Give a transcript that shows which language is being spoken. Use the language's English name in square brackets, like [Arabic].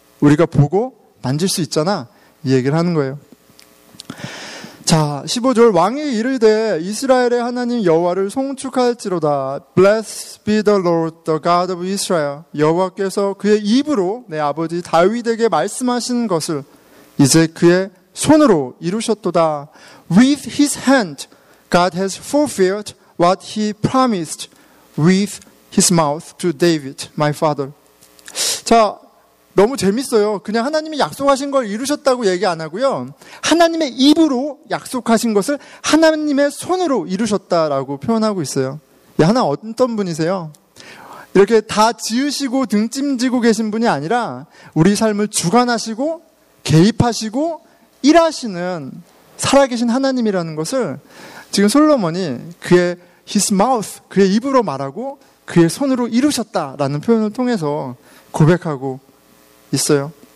[Korean] 우리가 보고 만질 수 있잖아. 이 얘기를 하는 거예요. 자, 15절 왕이 이르되 이스라엘의 하나님 여호와를 송축할지로다. [English] Blessed be the Lord, the God of Israel. [Korean] 여호와께서 그의 입으로 내 아버지 다윗에게 말씀하신 것을 이제 그의 손으로 이루셨도다. [English] With his hand, God has fulfilled what he promised with his mouth to David, my father. [Korean] 자, 너무 재밌어요. 그냥 하나님이 약속하신 걸 이루셨다고 얘기 안 하고요. 하나님의 입으로 약속하신 것을 하나님의 손으로 이루셨다라고 표현하고 있어요. 하나 어떤 분이세요? 이렇게 다 지으시고 등짐지고 계신 분이 아니라 우리 삶을 주관하시고 개입하시고 일하시는 살아계신 하나님이라는 것을 지금 솔로몬이 그의 [English] his mouth, [Korean] 그의 입으로 말하고 그의 손으로 이루셨다라는 표현을 통해서 고백하고 있어요.